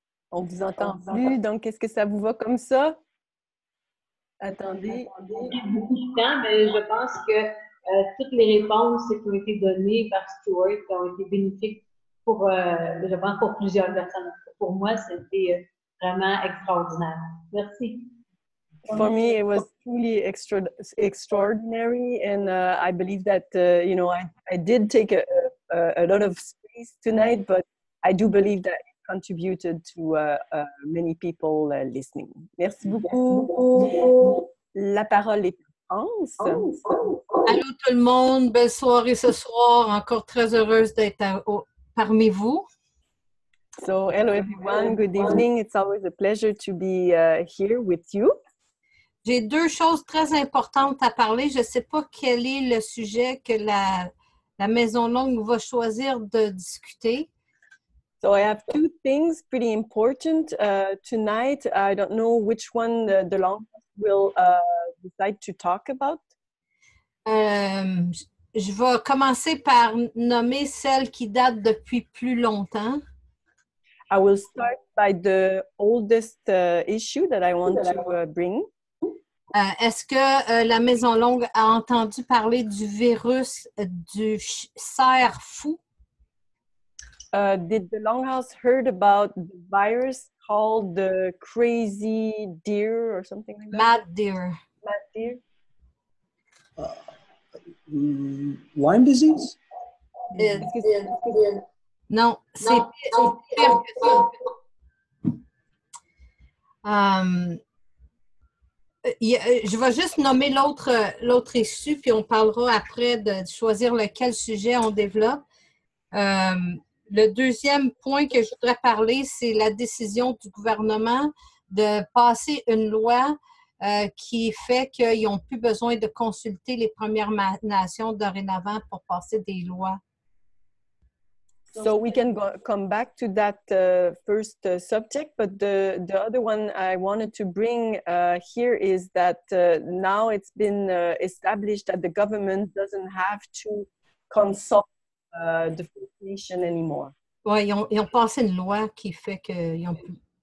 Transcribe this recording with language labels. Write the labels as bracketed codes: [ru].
[fr] On vous entend plus, donc est-ce que ça vous va comme ça? Attendez. J'ai beaucoup de temps, mais je pense que toutes les réponses qui ont été données par Stuart ont été bénéfiques pour, je pense, pour plusieurs personnes. Pour moi, c'était vraiment extraordinaire. Merci. [en] For me, it was truly extraordinary, and I believe that, you know, I did take a lot of space tonight, but I do believe that contributed to many people listening. [fr] Merci beaucoup. La parole est à France. Allô tout le monde, belle soirée ce soir. Encore très heureuse d'être parmi vous. [en] So, hello everyone, good evening. It's always a pleasure to be here with you. [fr] J'ai deux choses très importantes à parler. Je ne sais pas quel est le sujet que la Maison Longue va choisir de discuter. [en] So I have two things pretty important tonight. I don't know which one the long will decide to talk about. [fr] Je vais commencer par nommer celle qui date depuis plus longtemps. [en] I will start by the oldest issue that I want to bring. [fr] Est-ce que la Maison Longue a entendu parler du virus du cerf fou? [en] Did the Longhouse heard about the virus called the crazy deer or something like that? Mad deer. Mad deer? Lyme disease? [fr] Non, c'est pire que ça. Je vais juste nommer l'autre issue, puis on parlera après de choisir lequel sujet on développe. Le deuxième point que je voudrais parler, c'est la décision du gouvernement de passer une loi qui fait qu'ils n'ont plus besoin de consulter les Premières Nations dorénavant pour passer des lois. [en] So we can go, come back to that first subject, but the other one I wanted to bring here is that now it's been established that the government doesn't have to consult the First Nation anymore. [fr] Ouais, ils ont passé une loi qui fait que ils ont plus.